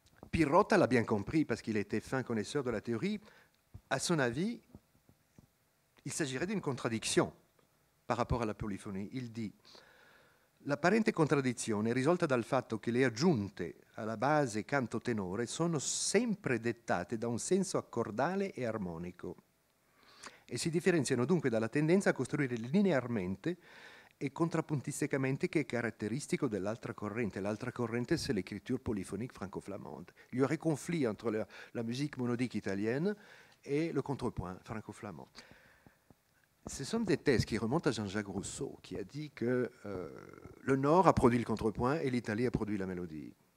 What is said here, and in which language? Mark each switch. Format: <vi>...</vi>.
<fr>Pirrotta l'a bien compris, parce qu'il était fin connaisseur de la théorie. À son avis, il s'agirait d'une contradiction. Par rapport</fr> <it>alla polifonia, il dice: l'apparente contraddizione è risolta dal fatto che le aggiunte alla base canto tenore sono sempre dettate da un senso accordale e armonico e si differenziano dunque dalla tendenza a costruire linearmente e contrapuntisticamente che è caratteristico dell'altra corrente. L'altra corrente</it> <fr>c'est l'écriture polyphonique franco-flamande. Il y aurait conflit entre la musique monodique italienne et le contrepoint franco-flamand. Ce sont des thèses qui remontent à Jean-Jacques Rousseau, qui a dit que le Nord a produit le contrepoint et l'Italie a produit la mélodie.</fr>